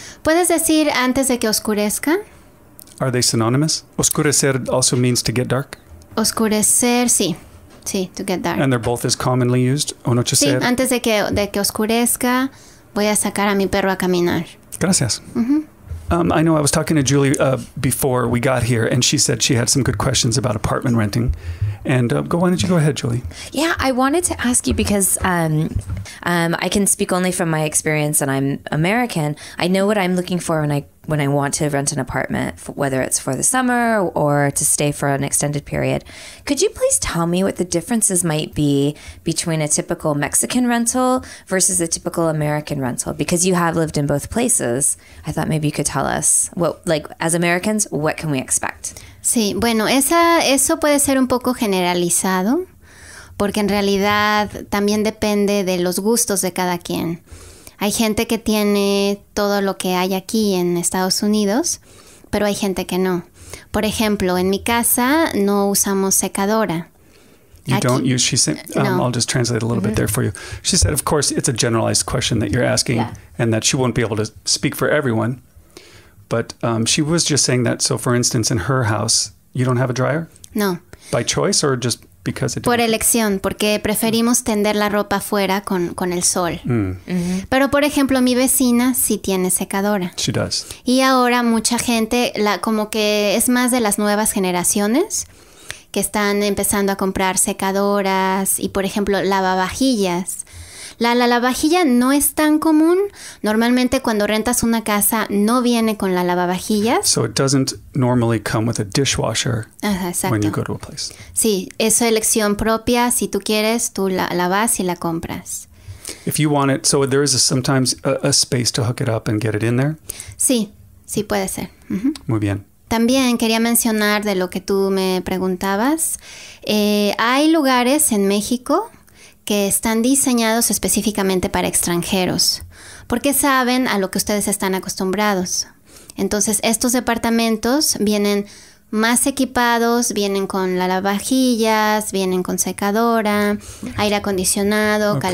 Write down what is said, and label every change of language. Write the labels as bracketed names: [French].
[Spanish] ¿Puedes decir antes de que oscurezca? [English] Are they synonymous? Oscurecer also means to get dark? [Spanish] Oscurecer, sí. Sí, [English] to get dark. And they're both as commonly used, anochecer. [Spanish] Sí, antes de que oscurezca, voy a sacar a mi perro a caminar. Gracias. Mm-hmm. [English] I know I was talking to Julie before we got here, and she said she had some good questions about apartment renting. And why don't you go ahead, Julie? Yeah, I wanted to ask you because I can speak only from my experience, and I'm American. I know what I'm looking for when I want to rent an apartment, whether it's for the summer or to stay for an extended period. Could you please tell me what the differences might be between a typical Mexican rental versus a typical American rental? Because you have lived in both places, I thought maybe you could tell us what, like, as Americans, what can we expect? [Spanish] Sí, bueno, eso puede ser un poco generalizado, porque en realidad también depende de los gustos de cada quien. Hay gente que tiene todo lo que hay aquí en Estados Unidos, pero hay gente que no. Por ejemplo, en mi casa no usamos secadora. No. [English] I'll just translate a little bit there for you. She said, of course, it's a generalized question that you're asking, yeah. And that she won't be able to speak for everyone. But she was just saying that, so for instance, in her house, you don't have a dryer? [Spanish] No. [English] By choice or just because it Por didn't? [Spanish] Elección, porque preferimos tender la ropa afuera con el sol. Mm. Mm-hmm. Pero, por ejemplo, mi vecina sí tiene secadora. [English] She does. [Spanish] Y ahora mucha gente, como que es más de las nuevas generaciones que están empezando a comprar secadoras y, por ejemplo, lavavajillas. La lavavajilla no es tan común. Normalmente cuando rentas una casa no viene con la lavavajillas. [English] So it doesn't normally come with a dishwasher. [Spanish] Ajá, exacto. [English] When you go to a place. [Spanish] Sí, es elección propia. Si tú quieres, tú la vas y la compras. [English] If you want it, so there is sometimes a space to hook it up and get it in there. [Spanish] Sí, sí puede ser. Uh-huh. Muy bien. También quería mencionar de lo que tú me preguntabas. Hay lugares en México que están diseñados específicamente para extranjeros, porque saben a lo que ustedes están acostumbrados. Entonces, estos departamentos vienen más equipados, vienen con lavavajillas, vienen con secadora, aire acondicionado, okay.